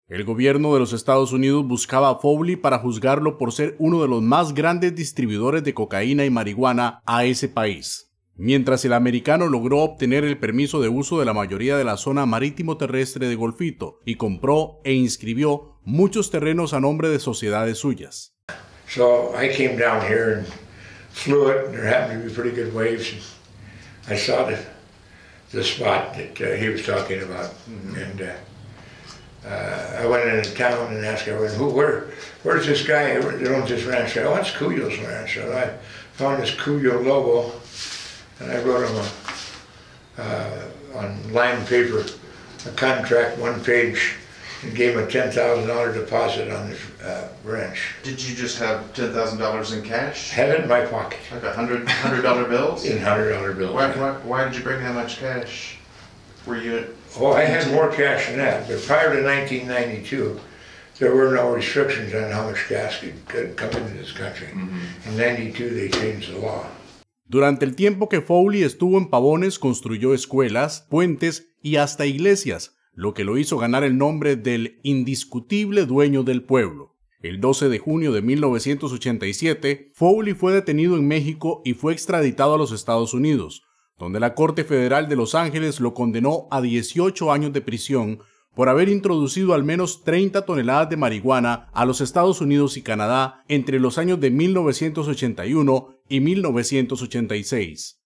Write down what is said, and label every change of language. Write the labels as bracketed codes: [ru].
[es] El gobierno de los Estados Unidos buscaba a Fowley para juzgarlo por ser uno de los más grandes distribuidores de cocaína y marihuana a ese país. Mientras el americano logró obtener el permiso de uso de la mayoría de la zona marítimo terrestre de Golfito y compró e inscribió muchos terrenos a nombre de sociedades suyas. [en] So I came down here and flew it, and there happened to be pretty good waves. And I saw the spot that he was talking about. Mm-hmm. And I went into town and asked everyone, where's this guy that owns this ranch? I said, oh, it's Cuyo's ranch. And I found this Cuyo logo, and I wrote him on lined paper a contract, one page, and gave him a $10,000 deposit on this ranch. Did you just have $10,000 in cash? Had it in my pocket. Like $100 bills? In $100 bills. Why did you bring that much cash? Were you... I had more cash than that. But prior to 1992, there were no restrictions on how much gas could come into this country. Mm-hmm. In 92, they changed the law. [es] Durante el tiempo que Fowley estuvo en Pavones, construyó escuelas, puentes y hasta iglesias, lo que lo hizo ganar el nombre del indiscutible dueño del pueblo. El 12 de junio de 1987, Fowley fue detenido en México y fue extraditado a los Estados Unidos, donde la Corte Federal de Los Ángeles lo condenó a 18 años de prisión por haber introducido al menos 30 toneladas de marihuana a los Estados Unidos y Canadá entre los años de 1981 y 1986.